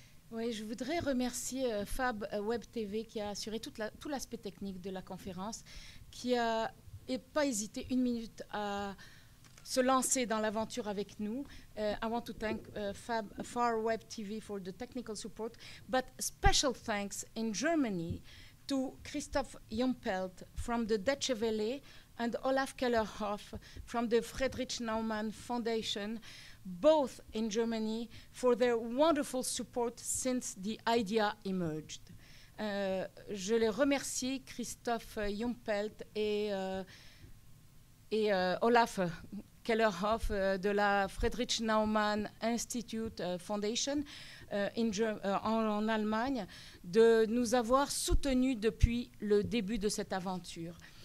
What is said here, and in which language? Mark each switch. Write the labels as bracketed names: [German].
[French] Oui, je voudrais remercier Fab Web TV qui a assuré tout l'aspect technique de la conférence, qui n'a pas hésité une minute à se lancer dans l'aventure avec nous. [English] I want to thank Far Web TV for the technical support, but special thanks in Germany to Christoph Jumpelt from the Deutsche Welle and Olaf Kellerhoff from the Friedrich Naumann Foundation, both in Germany, for their wonderful support since the idea emerged. [French] Je les remercie, Christoph Jumpelt et Olaf Kellerhoff de la Friedrich Naumann Institute Foundation en Allemagne, de nous avoir soutenus depuis le début de cette aventure.